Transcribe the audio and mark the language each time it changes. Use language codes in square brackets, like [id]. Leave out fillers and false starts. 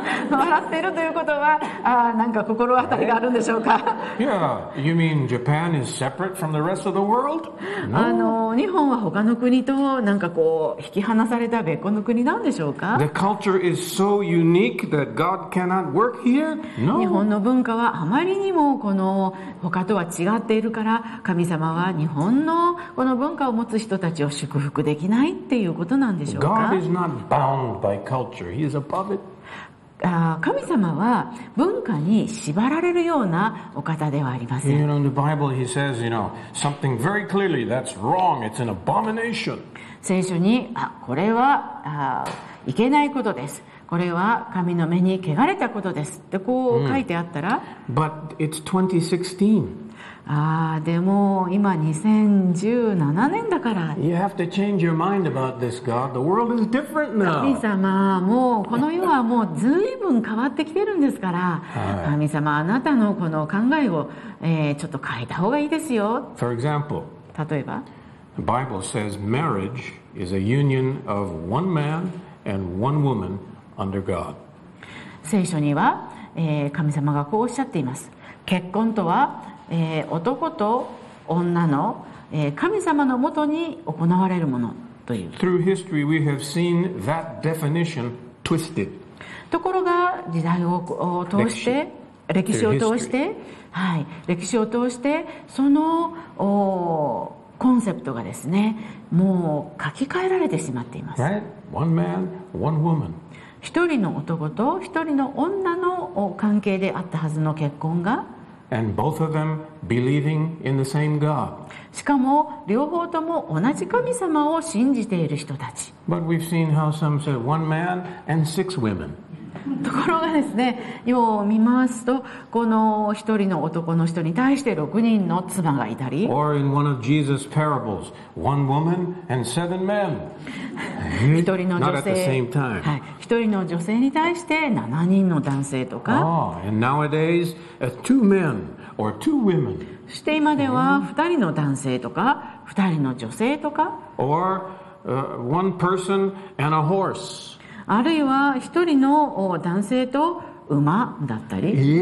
[ja] 笑っているということは、なんか心当たりがあるんでしょうか。 [en] Yeah, you mean Japan is separate from the rest of the world? No. [ja] 日本は他の国となんかこう引き離された別個の国なんでしょうか。 [en] The culture is so unique that God cannot work here? No. [ja] 日本の文化はあまりにもこの他とは違っているから、神様は日本のこの文化を持つ人たちを祝福できないっていうことなんでしょうか。 [en] God is not bound by culture. He is above it. [ja] 神様は文化に縛られるようなお方ではありません。 [en] You know, in the Bible, he says, you know, something very clearly. That's wrong. It's an abomination. [ja] 聖書に、これはいけないことです。これは神の目に汚れたことです。ってこう書いてあったら、 [en] But it's 2016. [ja] でも今2017年だから。 [en] You have to change your mind about this, God. The world is different now. [ja] 神様、もうこの世はもう随分変わってきてるんですから。神様、あなたのこの考えを、ちょっと変えた方がいいですよ。 [en] For example, [ja] 例えば、 [en] The Bible says marriage is a union of one man and one woman under God. [ja] 聖書には、神様がこうおっしゃっています。結婚とは男と女の、神様のもとに行われるものという。 [en] Through history, we have seen that definition twisted. [ja] ところが時代を通して歴史を通して、はい、歴史を通してそのコンセプトがですね、もう書き換えられてしまっています。 [en] Right? One man, one woman. [ja] 一人の男と一人の女の関係であったはずの結婚が。 [en] And both of them believing in the same God. [ja] しかも両方とも同じ神様を信じている人たち。 [en] But we've seen how some say one man and six women. [ja] ところがですね、よう見ますと、この一人の男の人に対して6人の妻がいたり。 [en] Or in one of Jesus' parables, one woman and seven men. [ja] 一人の女性。 [en] Not at the same time. [ja] はい。一人の女性に対して7人の男性とか、 [en] and nowadays, two men or two women. [ja] そして今では2人の男性とか2人の女性とか、 [en] or, one person and a horse. [ja] あるいは1人の男性と馬だったり。